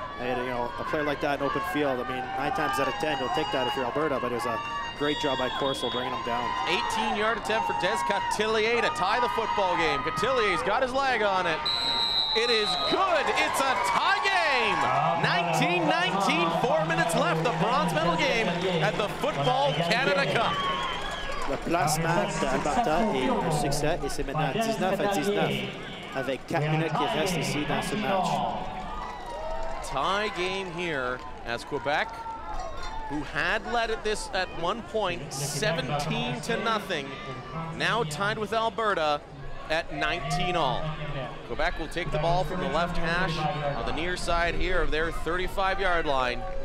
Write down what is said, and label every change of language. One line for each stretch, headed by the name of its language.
English: And you know, a player like that in open field, I mean, 9 times out of 10, you'll take that if you're Alberta, but it was a great job by Corsell bringing him down. 18-yard attempt for Des Cotillier to tie the football game. Cotillier's got his leg on it. It is good, it's a tie game! 19-19, 4 minutes left, the bronze medal game at the Football Canada Cup.
French: Le placement d'Alberta est un succès et c'est maintenant 19-19, avec 4 minutes qui restent ici dans ce match.
English: Tie game here as Quebec, who had led at this at one point, 17-0, now tied with Alberta at 19-all. Quebec will take the ball from the left hash on the near side here of their 35-yard line.